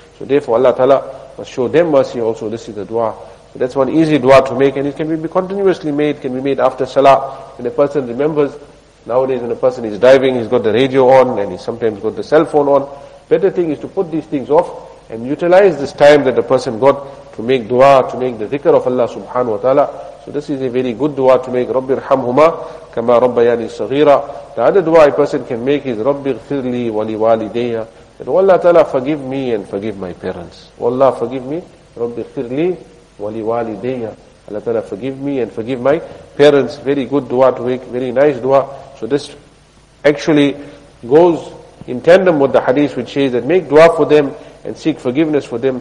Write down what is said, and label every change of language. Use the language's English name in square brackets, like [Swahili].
[English] So therefore Allah Ta'ala must show them mercy also. This is the dua. So that's one easy dua to make, and it can be continuously made, can be made after salah. When a person remembers, nowadays when a person is driving, he's got the radio on and he's sometimes got the cell phone on, better thing is to put these things off and utilize this time that the person got to make dua, to make the dhikr of Allah subhanahu wa ta'ala. So this is a very good dua to make. [Arabic] رَبِّ ارْحَمْهُمَا كَمَا رَبَّيَانِي صَغِيرًا. [English] The other dua a person can make is [Arabic] رَبِّ اغْفِرْ لِي وَلِوَالِدَيَّ [English] said, Wallah Ta'ala, forgive me and forgive my parents. Wallah, forgive me. [Arabic] Rabbi ighfir li wa li walidayya. [English] Allah Ta'ala, forgive me and forgive my parents. Very good dua to make, very nice dua. So this actually goes in tandem with the hadith which says that make dua for them and seek forgiveness for them.